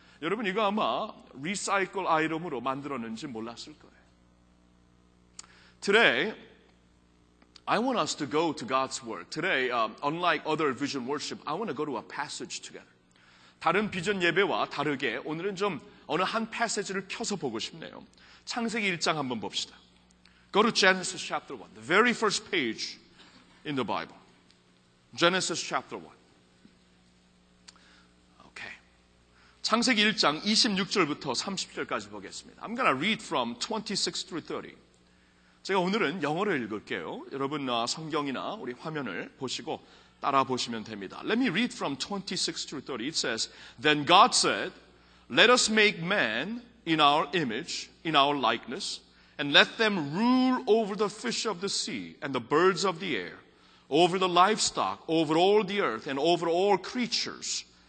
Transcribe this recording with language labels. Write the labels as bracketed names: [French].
[Korean] 여러분, 이거 아마 리사이클 아이템으로 만들었는지 몰랐을 거예요. [English] Today, I want us to go to God's Word. Today, unlike other vision worship, I want to go to a passage together. [Korean] 다른 비전 예배와 다르게 오늘은 좀 어느 한 패시지를 펴서 보고 싶네요. 창세기 1장 한번 봅시다. [English] Go to Genesis chapter 1, the very first page in the Bible. Genesis chapter 1. [Korean] 창세기 1장 26절부터 30절까지 보겠습니다. [English] I'm going to read from 26 through 30. [Korean] 제가 오늘은 영어로 읽을게요. 여러분 성경이나 우리 화면을 보시고 따라 보시면 됩니다. [English] Let me read from 26 through 30. It says, Then God said, Let us make man in our image, in our likeness, and let them rule over the fish of the sea and the birds of the air, over the livestock, over all the earth, and over all creatures.